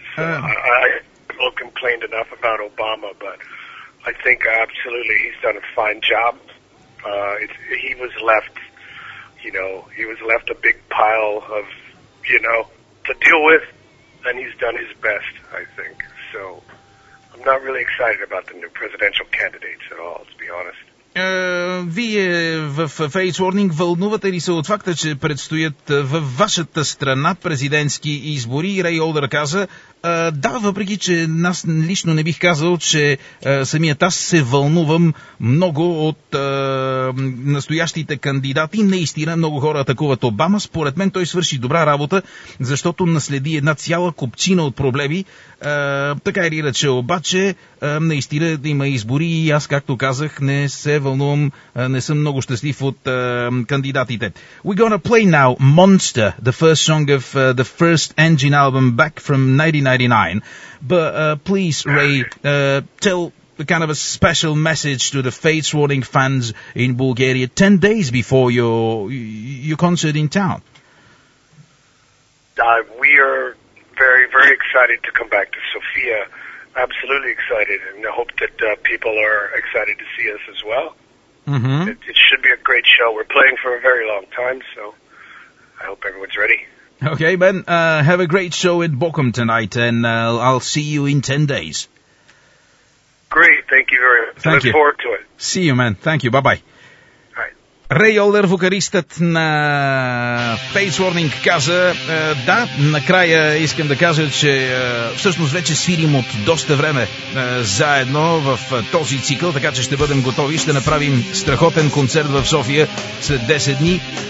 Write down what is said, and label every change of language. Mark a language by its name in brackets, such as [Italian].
[English] So I all complained enough about Obama, but I think absolutely he's done a fine job. He was left, he was left a big pile of, to deal with, and he's done his best, I think. So I'm not really excited about the new presidential candidates at all, to be honest. [Bulgarian] Вие в Face Warning вълнувате ли се от факта, че предстоят във вашата страна президентски избори? Рей Олдър каза: да, въпреки че аз лично не бих казал, че самият аз се вълнувам много от настоящите кандидати. Наистина много хора атакуват Обама. Според мен той свърши добра работа, защото наследи една цяла купчина от проблеми. Така или иначе, обаче, наистина има избори и аз, както казах, не се вълнувам, не съм много щастлив от кандидатите. [English] We're gonna play now Monster, the first song of the first Engine album back from 1999. But please, Ray, tell kind of a special message to the Fates Warning fans in Bulgaria 10 days before your concert in town? We are very, very excited to come back to Sofia. Absolutely excited, and I hope that people are excited to see us as well. Mm-hmm. It should be a great show. We're playing for a very long time, so I hope everyone's ready. Okay, Ben, have a great show in Bochum tonight, and I'll see you in 10 days. Great, thank you very much. Look forward to it. See you, man. Thank you. Bye-bye. [Bulgarian] Рей Олдер, вокалистът на Fates Warning, каза, да, накрая искам да кажа, че всъщност вече свирим от доста време заедно в този цикъл, така че ще бъдем готови, ще направим страхотен концерт в София след 10 дни.